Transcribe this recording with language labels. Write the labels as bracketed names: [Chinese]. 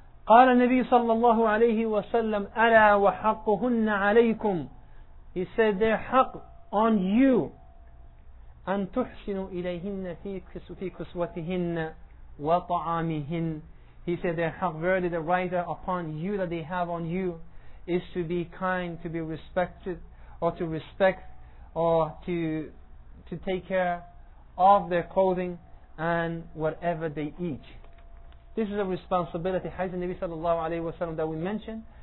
[Arabic] قال النبي صلى الله عليه وسلم ألا وحقهن عليكم. [English] He said their حق on you. [Arabic] أن تحسنوا إليهن في كسوتهن وطعامهن. [English] He said their حق, verily the right upon you that they have on you is to be kind, to be respected, or to respect, or to take care of their clothing and whatever they eat. This is a responsibility. Hadith Nabi sallallahu alayhi wa sallam that we mentioned.